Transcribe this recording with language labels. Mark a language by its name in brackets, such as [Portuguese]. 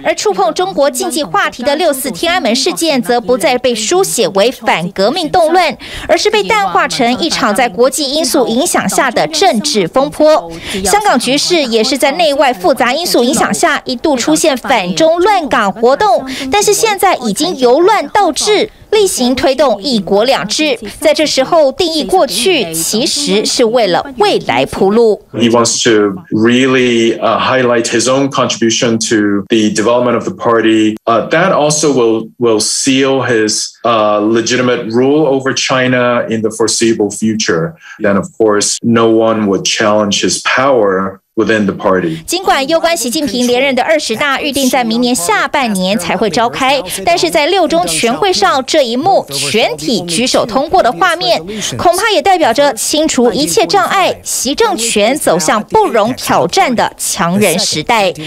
[Chinese] 而触碰中国经济话题的6.4天安门事件则不再被书写为反革命动乱，而是被淡化成一场在国际因素影响下的政治风波。香港局势也是在内外复杂因素影响下一度出现反中乱港活动，但是现在已经由乱到治，例行推动一国两制。在这时候定义过去，其实是为了未来铺路。 [English] He wants to really highlight his own contribution to the development of the party. That also will seal his legitimate rule over China in the foreseeable future. Then, of course, no one would challenge his power. [Chinese] 尽管攸关习近平连任的20大预定在明年下半年才会召开，但是在六中全会上这一幕全体举手通过的画面，恐怕也代表着清除一切障碍，习政权走向不容挑战的强人时代。